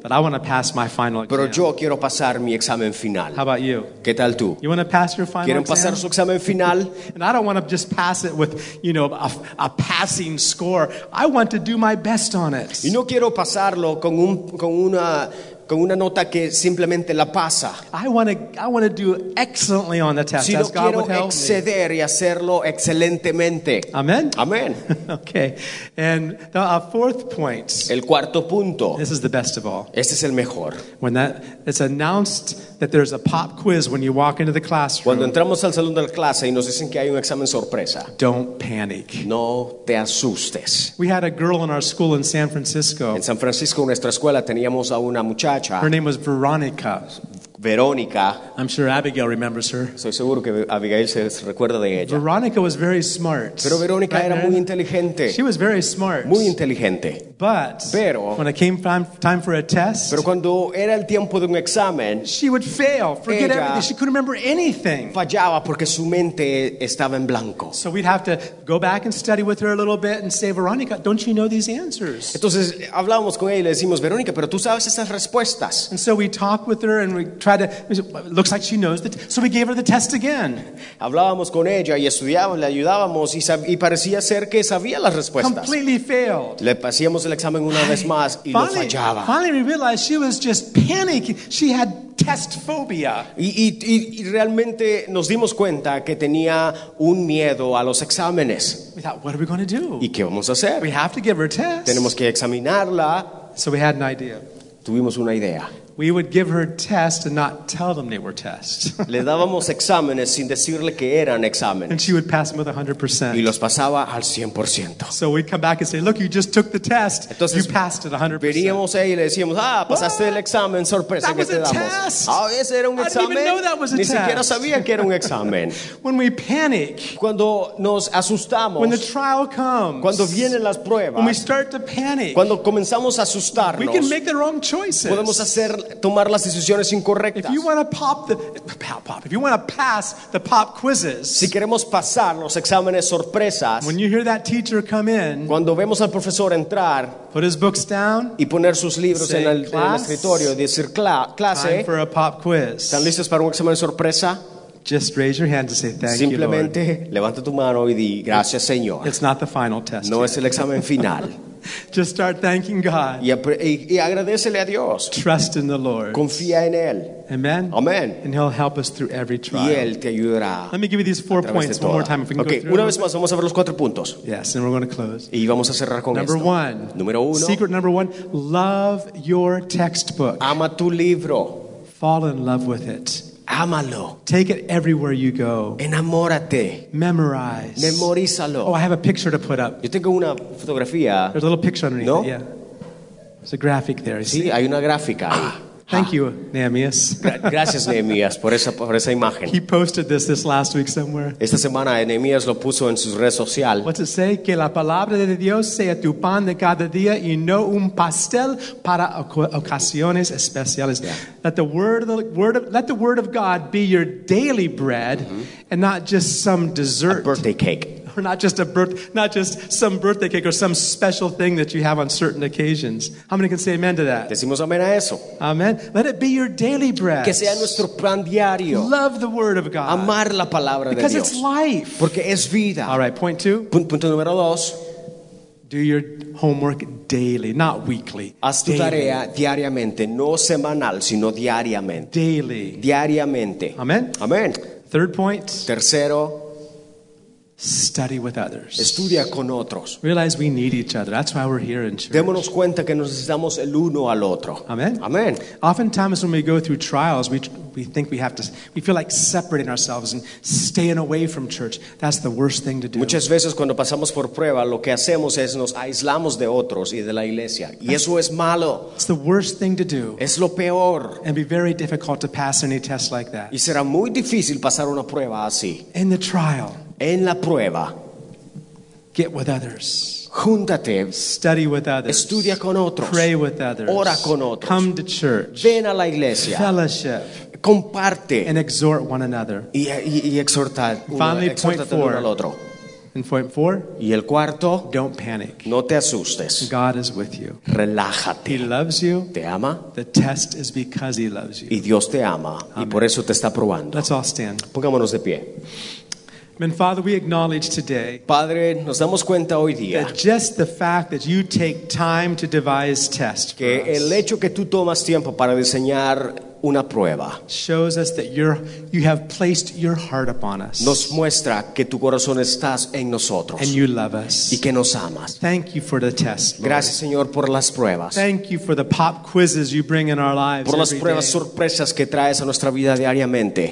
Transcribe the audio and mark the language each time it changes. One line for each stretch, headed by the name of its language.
English: But I want to pass my final exam.
Spanish: Pero yo quiero pasar mi examen final.
English: How about you?
Spanish: ¿Qué tal tú?
English: You want to pass your final
Spanish: ¿quieren pasar
English: exam?
Spanish: Su examen final?
English: And I don't want to just pass it with, you know, a passing score. I want to do my best on it.
Spanish: Y no quiero pasarlo con una nota que simplemente la pasa.
English: I want to do excellently on the test.
Spanish: Si
English: as God would help
Spanish: exceder
English: me.
Spanish: Y hacerlo excelentemente. Amen. Amen.
English: Okay. And the fourth point.
Spanish: El cuarto punto.
English: This is the best of all.
Spanish: Este es el mejor.
English: When that it's announced that there's a pop quiz when you walk into the classroom.
Spanish: Cuando entramos al salón de la clase y nos dicen que hay un examen sorpresa.
English: Don't panic.
Spanish: No te asustes.
English: We had a girl in our school in San Francisco.
Spanish: En San Francisco, en nuestra escuela, teníamos a una muchacha.
English: Her name was Veronica.
Spanish: Verónica.
English: I'm sure Abigail remembers her.
Spanish: Soy seguro que Abigail se recuerda de ella.
English: Veronica was very smart.
Spanish: Pero Verónica era muy inteligente.
English: She was very smart.
Spanish: Muy inteligente.
English: But
Spanish: pero,
English: when it came time for a test,
Spanish: pero cuando era el tiempo de un examen,
English: she would fail, forget everything. She couldn't remember anything.
Spanish: Fallaba porque su mente estaba en blanco.
English: So we'd have to go back and study with her a little bit and say, Veronica, don't you know these answers?
Spanish: Entonces hablábamos con ella y le decimos, Verónica, pero tú sabes esas respuestas.
English: And so we talked with her and we tried to. Looks like she knows that. So we gave her the test again.
Spanish: Hablábamos con ella y estudiábamos, le ayudábamos y parecía ser que sabía las respuestas.
English: Completely failed.
Spanish: Le pasíamos el examen una vez más y
English: finally,
Spanish: lo fallaba.
English: Finally we realized she was just panicking. She had test phobia.
Spanish: Y realmente nos dimos cuenta que tenía un miedo a los exámenes.
English: We thought, what are we going to do?
Spanish: ¿Y qué vamos a hacer?
English: We have to give her a test.
Spanish: Tenemos que examinarla.
English: So we had an idea.
Spanish: Tuvimos una idea.
English: We would give her tests and not tell them they were tests.
Spanish: Le dábamos exámenes sin decirle que eran exámenes.
English: And she would pass them with 100%.
Spanish: Y los pasaba al 100%.
English: So we'd come back and say, look, you just took the test.
Spanish: Entonces,
English: you passed it 100%.
Spanish: Veníamos ahí y le decíamos, ah, pasaste el examen, sorpresa que te damos.
English: That was a test.
Spanish: Ah, ese era un examen.
English: I didn't even know that was a
Spanish: Ni
English: test.
Spanish: Ni siquiera sabía que era un examen.
English: When we panic.
Spanish: Cuando nos asustamos.
English: When the trial comes.
Spanish: Cuando vienen las pruebas.
English: When we start to panic.
Spanish: Cuando comenzamos a asustarnos.
English: We can make the wrong choices.
Spanish: Podemos hacer tomar las decisiones incorrectas.
English: If you want to pop the pop, if you want to pass the pop quizzes.
Spanish: Si queremos pasar los exámenes sorpresas.
English: When you hear that teacher come in.
Spanish: Cuando vemos al profesor entrar.
English: Put his books down.
Spanish: Y poner sus libros
English: say,
Spanish: en el
English: class,
Spanish: en el escritorio y decir clase.
English: Time for a pop quiz.
Spanish: ¿Están listos para un examen sorpresa?
English: Just raise your hand to say thank you, Lord.
Spanish: Simplemente levanta tu mano y di gracias, Señor.
English: It's not the final test.
Spanish: No es el examen final.
English: Just start thanking God.
Spanish: Y agradecele a Dios.
English: Trust in the Lord.
Spanish: Confía en él. Amen. Amen.
English: And He'll help us through every trial.
Spanish: Y él te ayudará.
English: Let me give you these four points one more time if we can okay. go through.
Spanish: Okay, una vez más vamos a ver los cuatro puntos.
English: Yes, and we're going to close.
Spanish: Y vamos a cerrar con
English: number One.
Spanish: Número uno.
English: Secret number one. Love your textbook.
Spanish: Ama tu libro.
English: Fall in love with it.
Spanish: Ámalo.
English: Take it everywhere you go.
Spanish: Enamórate.
English: Memorize.
Spanish: Memorízalo.
English: Oh, I have a picture to put up.
Spanish: Yo tengo una fotografía.
English: There's a little picture underneath.
Spanish: No?
English: It, yeah. There's a graphic there.
Spanish: Sí,
English: see?
Spanish: Hay una gráfica ahí. Ah.
English: Thank you, Nehemias.
Spanish: Gracias, Nehemias, por esa imagen.
English: He posted this last week somewhere.
Spanish: Esta semana, Nehemias lo puso en sus redes sociales.
English: What's it say?
Spanish: Que la palabra de Dios sea tu pan de cada día y no un pastel para ocasiones especiales.
English: Yeah. Let the word of God be your daily bread, mm-hmm. and not just some dessert. A birthday cake. Or not just some birthday cake or some special thing that you have on certain occasions. How many can say amen to that?
Spanish: Decimos amen a eso.
English: Amen. Let it be your daily bread.
Spanish: Que sea nuestro pan diario.
English: Love the word of God.
Spanish: Amar la palabra de
English: because
Spanish: Dios.
English: Because it's life.
Spanish: Porque es vida.
English: All right, point two.
Spanish: Punto número dos.
English: Do your homework daily, not weekly.
Spanish: Haz tu
English: daily.
Spanish: Tarea diariamente, no semanal, sino diariamente.
English: Daily.
Spanish: Diariamente. Amen. Amen.
English: Third point.
Spanish: Tercero.
English: Study with others.
Spanish: Estudia con otros.
English: Realize we need each other. That's why we're here in church.
Spanish: Démonos cuenta que nos necesitamos el uno al otro. Amen. Amen.
English: Oftentimes when we go through trials, we think we have to. We feel like separating ourselves and staying away from church. That's the worst thing to do.
Spanish: Muchas veces cuando pasamos por prueba, lo que hacemos es nos aislamos de otros y de la iglesia. Y eso es malo.
English: It's the worst thing to do.
Spanish: Es lo peor.
English: And be very difficult to pass any test like that.
Spanish: Y será muy difícil pasar una prueba así.
English: In the trial.
Spanish: En la prueba.
English: Get with others.
Spanish: Júntate.
English: Study with others.
Spanish: Estudia con otros.
English: Pray with others.
Spanish: Ora con otros.
English: Come to church.
Spanish: Ven a la iglesia.
English: Fellowship.
Spanish: Comparte.
English: And exhort one another.
Spanish: Y exhorta
English: finally,
Spanish: exhorta al otro.
English: And point four.
Spanish: Y el cuarto.
English: Don't panic.
Spanish: No te asustes.
English: God is with you.
Spanish: Relájate.
English: He loves you.
Spanish: Te ama.
English: The test is because He loves you.
Spanish: Y Dios te ama. Amen. Y por eso te está probando.
English: Let's all stand.
Spanish: Pongámonos de pie.
English: And Father, we acknowledge today
Spanish: Padre, nos damos cuenta hoy día
English: that just the fact that you take time to devise tests
Spanish: que el hecho que tú tomas tiempo para diseñar una prueba
English: shows us that you have placed your heart upon us.
Spanish: Nos muestra que tu corazón estás en nosotros.
English: And you love us.
Spanish: Y que nos amas.
English: Thank you for the test, Lord.
Spanish: Gracias, Señor, por las pruebas.
English: Thank you for the pop quizzes you bring in our lives.
Spanish: Por las pruebas sorpresas que traes a nuestra vida diariamente.